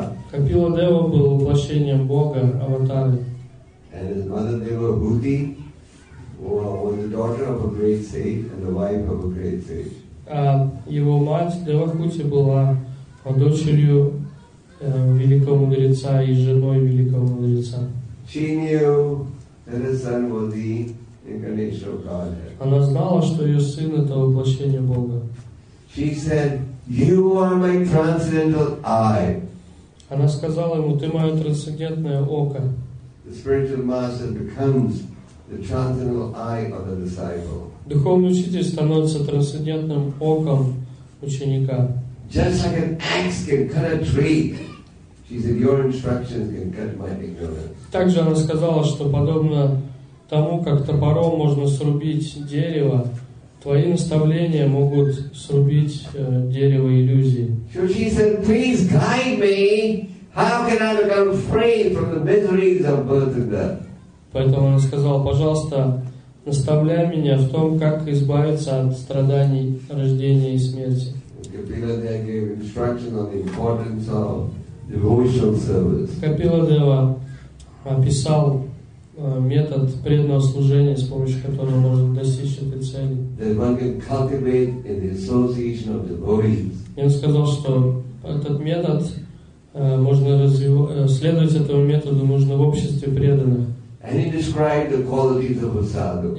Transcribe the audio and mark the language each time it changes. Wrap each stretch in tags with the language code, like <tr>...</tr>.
<ru>Капиладева был воплощением Бога, Аватара. А его мать Девахути была дочерью великого мудреца и женой великого мудреца.</ru> <en>She knew that her son was the incarnation of Godhead.</en> <ru>Она знала, что ее сын это воплощение Бога.</ru> <en>She said, "You are my transcendental eye."</en> <ru>Она сказала ему, ты мое трансцендентное око.</ru> <en>The spiritual master becomes the transcendental eye of the disciple.</en> <ru>Духовный учитель становится трансцендентным оком ученика.</ru> <en>Just like an axe can cut a tree. She said, "Your instructions can cut my ignorance."</en> <ru>Также она сказала, что подобно тому, как топором можно срубить дерево, твои наставления могут срубить дерево иллюзии.</ru> <en>So she said, "Please guide me. How can I become free from the miseries of birth and death?"</en> <ru>Поэтому она сказала, пожалуйста, наставляй меня в том, как избавиться от страданий рождения и смерти.</ru> <en>Капиладева gave instructions on the importance of devotional service.</en> <ru>Капиладева описал метод преданного служения, с помощью которого можно достичь этой цели.</ru> <en>That one can cultivate in the association of devotees.</en> <ru>Он сказал, что этот метод можно следовать этому методу нужно в обществе преданных.</ru> <en>And he described the qualities of a sadhu.</en>